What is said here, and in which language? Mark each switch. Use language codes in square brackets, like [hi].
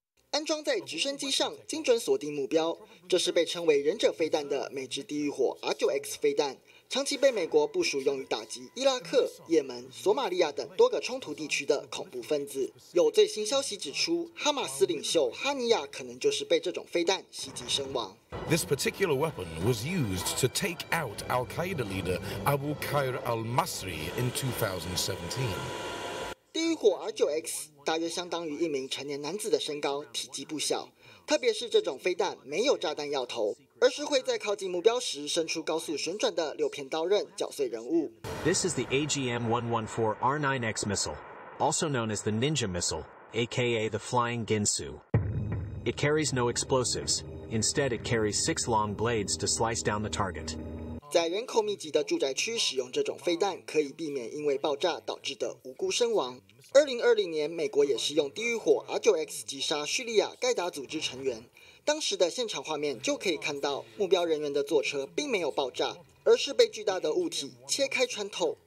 [zh] 安装在直升机上，精准锁定目标，这是被称为忍者飞弹的美制地狱火 R9X 飞弹，长期被美国部署用于打击伊拉克、也门、索马利亚等多个冲突地区的恐怖分子。有最新消息指出，哈马斯领袖哈尼亚可能就是被这种飞弹袭击身亡。 [en] This particular weapon was used to take out Al-Qaeda leader Abu Khair al-Masri in 2017. [zh] 地狱火 R9X 大约相当于一名成年男子的身高，体积不小。特别是这种飞弹没有炸弹药头，而是会在靠近目标时伸出高速旋转的六片刀刃绞碎人物。 [en] This is the AGM-114R9X missile, also known as the Ninja missile, aka the Flying Ginsu. It carries no explosives. Instead, it carries 6 long blades to slice down the target. [zh] 在人口密集的住宅区使用这种飞弹，可以避免因为爆炸导致的无辜身亡。 2020年，美国也是用地狱火 R9X 击杀叙利亚盖达组织成员。当时的现场画面就可以看到，目标人员的座车并没有爆炸，而是被巨大的物体切开穿透。